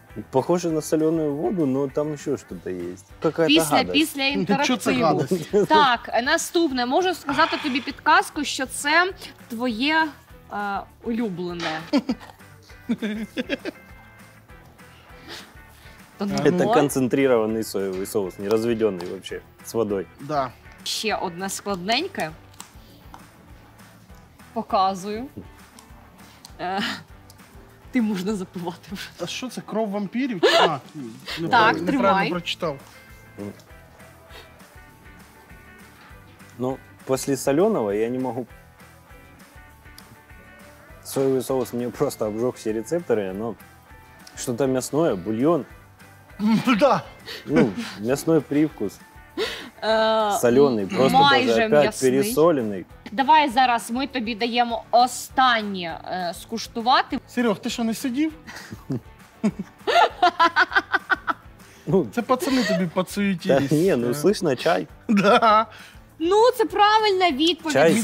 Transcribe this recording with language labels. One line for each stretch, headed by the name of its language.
Russian: Похоже на соленую воду, но там еще что-то есть. Какая-то
Ukrainian: після інтерактиву. Так, наступне. Можу сказати тобі підказку, що це твоє улюблене.
Russian: Это концентрированный соевый соус, не разведенный вообще, с водой. Да.
Ukrainian: Ще одне складненьке. Показую. Ти можна запивати вже. А що це, кров вампірів? Так, тримай. Неправильно прочитав. Ну, після соленого я не можу... Соевий соус мені просто обжег всі рецептори, але... Що-то м'ясне, бульйон. Да. Ну, м'ясний привкус.
Russian: Соленый, просто даже опять пересоленный.
Ukrainian: Давай зараз ми тобі даємо останнє скуштувати. Серег, ти що, не сидів? Це пацани тобі подсуетились. Ні, ну слышно, чай. Да. Ну, це правильна відповідь.